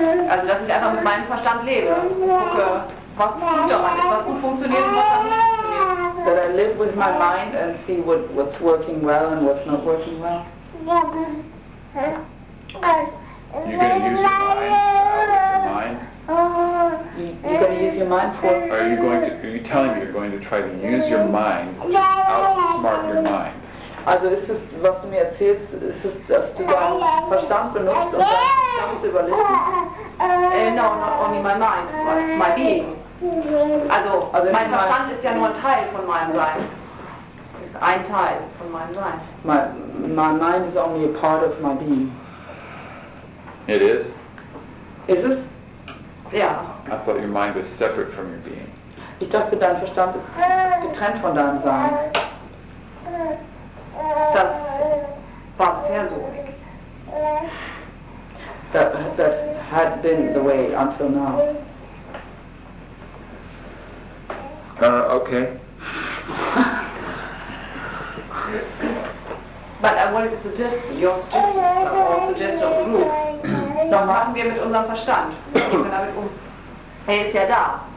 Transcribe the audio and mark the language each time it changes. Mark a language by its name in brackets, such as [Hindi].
[German] Also, dass ich einfach mit meinem Verstand lebe. Gucke, was gut daran ist, was gut funktioniert und was dann nicht funktioniert. [English] That I live with my mind and see what's working well and what's not working well. You're going to use your mind? You're going to use your mind for? Are you telling me you're going to try to use your mind to outsmart your mind? [German] Also ist es, was du mir erzählst, ist es, dass du deinen Verstand benutzt und deinen Verstand zu überlisten? [English] No, not only my mind, my being. [German] Also mein Verstand ist ja nur ein Teil von meinem Sein. Ist ein Teil von meinem Sein. [English] My mind is only a part of my being. It is? [German] Ist es? Ja. [English] I thought your mind was separate from your being. [German] Ich dachte, dein Verstand ist getrennt von deinem Sein. Das war bisher so. [English] That had been the way until now. Okay. But I wanted to suggest your suggestion, or suggestion of proof. [German] Was machen wir mit unserem Verstand? Wir gehen damit um. Er ist ja da.